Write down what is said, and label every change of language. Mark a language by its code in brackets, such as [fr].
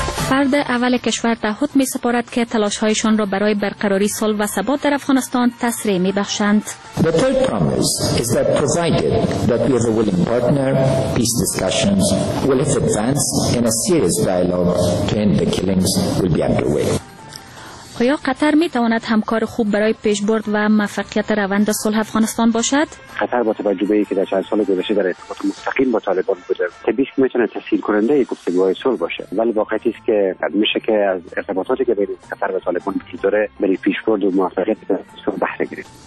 [fa] فرد اول کشور تعهد می سپارد که تلاش هایشان را برای برقراری صلح و ثبات در افغانستان تسریع می بخشند. [en] The third promise is that provided that we have a willing partner, peace discussions will have advanced and a serious dialogue to end the killings will be underway. [fa] آیا قطر می تواند همکار خوب برای پیشبرد و موفقیت روند صلح افغانستان باشد؟ قطر با توجه به اینکه در چند سال گذشته در ارتباط مستقیم با طالبان بوده، طبیعی میتونه تسهیل کننده گفتگوهای صلح باشه. ولی واقعیت است که میشه که از ارتباطاتی که بین قطر و طالبان وجود داره برای پیشبرد و موفقیت صلح بهره گیریم.